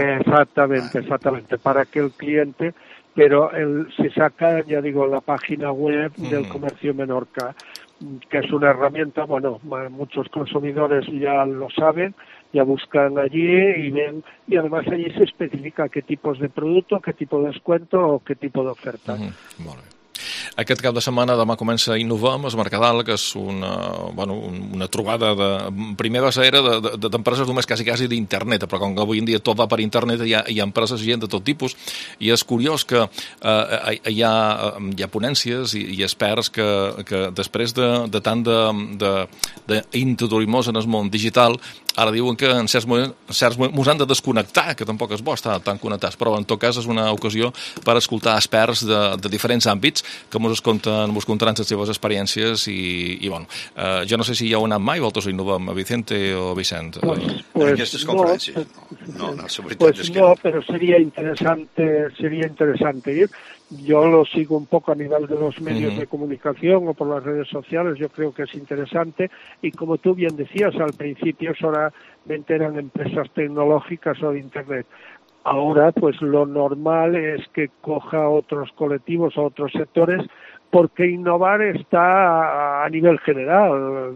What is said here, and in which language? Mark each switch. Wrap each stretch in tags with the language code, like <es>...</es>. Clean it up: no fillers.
<es>Exactamente, para que el cliente, pero se saca, ya digo, la página web del Comercio Menorca, que es una herramienta, bueno, muchos consumidores ya lo saben, ya buscan allí y ven, y además allí se especifica qué tipos de producto, qué tipo de descuento o qué tipo de oferta. Vale.</es> <ca>Aquest cap de setmana demà comença Innovem, Esmercadal, que és una trobada de primera era d'empreses només quasi d'internet, però com que avui en dia tot va per internet hi ha empreses i gent de tot tipus, i és curiós que hi ha ponències i experts que després de tant d'introduir-nos en el món digital, ara diuen que en certs moments ens han de desconnectar, que tampoc és bo estar tan connectats, però en tot cas és una ocasió per escoltar experts de diferents àmbits que ens contaran les seves experiències i bueno, jo no sé si hi heu anat mai, vosaltres Innovem, a Vicente o Vicent. Pues, aquestes conferències?</ca> <es>No, però seria interessante ir. Yo lo sigo un poco a nivel de los medios de comunicación o por las redes sociales, yo creo que es interesante. Y como tú bien decías al principio, solamente eran empresas tecnológicas o de Internet. Ahora, pues lo normal es que coja otros colectivos o otros sectores, porque innovar está a nivel general.</es>